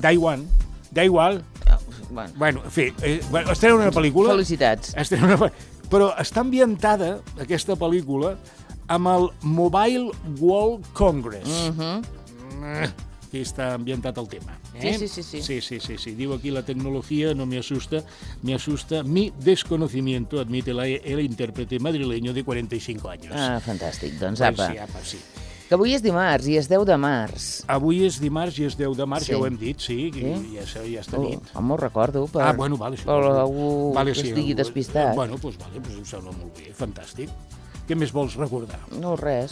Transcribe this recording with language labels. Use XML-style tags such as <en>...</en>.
<ca>Dai One. Dai igual. Bueno, en fi, estrena una pel·lícula. Felicitats. Però està ambientada, aquesta pel·lícula, amb el Mobile World Congress. Mhm. Que està ambientat el tema. Sí, sí, sí, sí. Sí, sí, sí, sí. Diu aquí</ca> <es>la tecnologia no me asusta, me asusta mi desconocimiento, admite el intérprete madrileño de 45 años.</es> <ca>Ah, fantàstic. Doncs apa.</ca> <es>Pues sí, apa, sí.</es> <ca>Que avui és dimarts i és 10 de març. Avui és dimarts i és 10 de març, sí. Ja ho hem dit, sí. I ja està nit. Home, ho recordo. Ah, bueno, vale. Per algú vale, que sí, estigui algú, despistat. Bueno, pues vale, pues em sembla molt bé. Fantàstic. Què més vols recordar? No, res.</ca>